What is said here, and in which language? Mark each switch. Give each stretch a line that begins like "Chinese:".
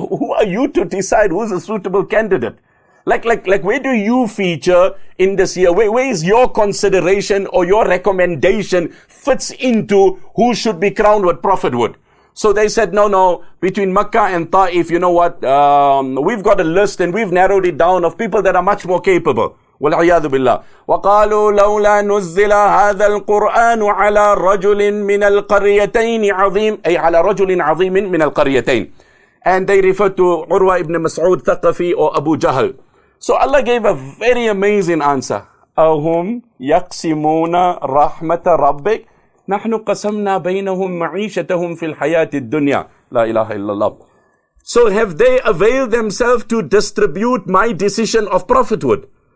English: Who are you to decide who's a suitable candidate? Like, where do you feature in this year? Where is your consideration or your recommendation fits into who should be crowned what prophet would? So they said, no, between Makkah and Ta'if, you know what, we've got a list and we've narrowed it down of people that are much more capable.
Arabic: وَالْعِيَاذُ بِاللَّهِ وَقَالُوا لَوْلَا نُزِّلَ هَذَا الْقُرْآنُ عَلَى رَجُلٍ مِّنَ الْقَرْيَتَيْنِ عَظِيمٍ أي على رجل عظيم من القريتين.
English: And they referred to Urwa ibn Mas'ud Thaqafi or Abu Jahl. So Allah gave a very amazing answer.
Arabic: أَهُمْ يَقْسِمُونَ رَحْمَةَ رَبِّكَ نَحْنُ قَسَمْنَا بَيْنَهُمْ مَعِيشَتَهُمْ فِي الْحَيَاةِ الدُّنْيَا لَا إِلَهَ إِلَّا اللَّهُ.
English: So have they availed themselves to distribute my decision of prophethood?